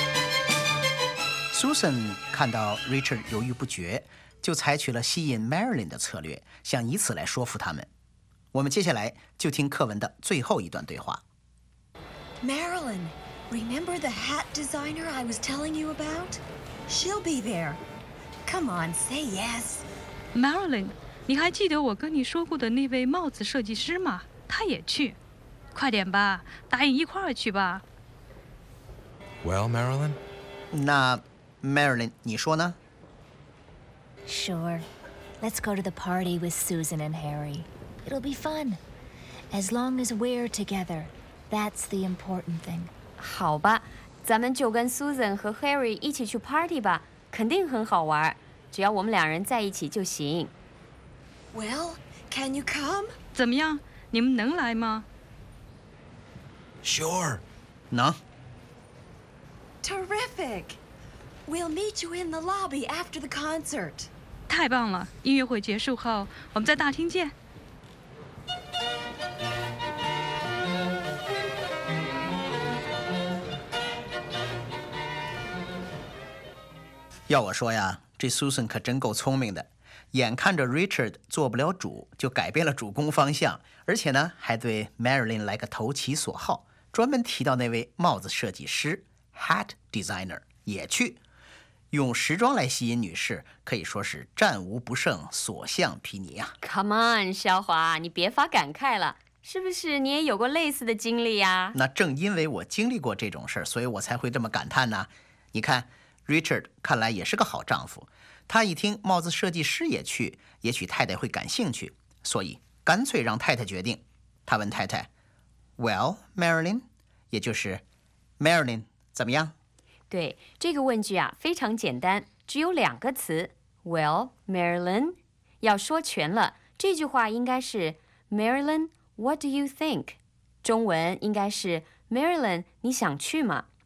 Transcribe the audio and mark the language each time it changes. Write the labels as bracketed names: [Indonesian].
[Chinese] 我们大概或者可能已经有安排了。Susan 看到 Richard 犹豫不决，就采取了吸引 Marilyn 的策略，想以此来说服他们。我们接下来就听课文的最后一段对话。 [English] Marilyn, remember the hat designer I was telling you about? She'll be there. Come on, say yes. [Chinese] Marilyn, 你还记得我跟你说过的那位帽子设计师吗? 他也去。快点吧, 答应一块儿去吧。 [English] Well, Marilyn? [Chinese] 那, Marilyn, 你说呢? [English] Sure. Let's go to the party with Susan and Harry. It'll be fun. As long as we're together. That's the important thing. [Chinese] 好吧，咱们就跟 Susan 和 Harry 一起去 party 吧，肯定很好玩，只要我们两人在一起就行。Well, [English] can you come? [Chinese] 怎么样，你们能来吗？ [English] Sure. [Chinese] 能。 [English] Terrific. We'll meet you in the lobby after the concert. [Chinese] 太棒了，音乐会结束后，我们在大厅见。要我说呀，这Susan可真够聪明的，眼看着 Richard 做不了主，就改变了主攻方向，而且呢，还对 Marilyn 来个投其所好，专门提到那位帽子设计师 hat designer 也去，用时装来吸引女士，可以说是战无不胜，所向披靡呀。Come on， 肖华，你别发感慨了，是不是你也有过类似的经历呀？那正因为我经历过这种事，所以我才会这么感叹呢。你看。 Richard 看来也是个好丈夫，他一听帽子设计师也去，也许太太会感兴趣，所以干脆让太太决定。他问太太 ， [English] Well, Marilyn， [Chinese] 也就是 Marilyn 怎么样？对，这个问句啊非常简单，只有两个词，Well, Marilyn， 要说全了，这句话应该是 [English] Marilyn, what do you think？ [Chinese] 中文应该是 Marilyn， 你想去吗？